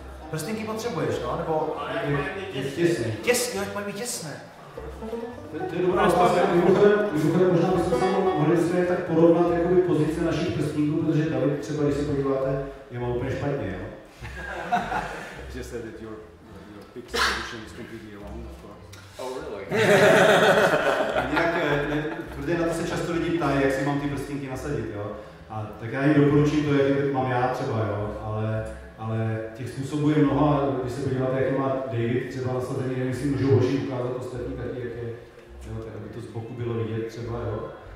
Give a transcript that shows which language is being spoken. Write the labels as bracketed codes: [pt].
[cs] Prstinky potřebuješ, no? Nebo... Těsně. Těsně, mají být těsné. To je dobrá, možná byste se mohli tak porovnat jakoby pozice našich prstníků, protože David třeba, když se podíváte, je mám úplně špatně, jo? [en] Just said that your pick solution is completely wrong, of course. Oh, really? [cs] Nějak, protože na to se často lidi ptají, jak si mám ty prstinky nasadit, jo? A tak já jim doporučím to, jak mám já třeba, jo? Ale těch způsobů je mnoho, a když se podíváte, jak má David třeba nasazený, nevím, jestli můžu hoši ukázat ostatní taky, jak je, jo, tak aby to z boku bylo vidět třeba, jo.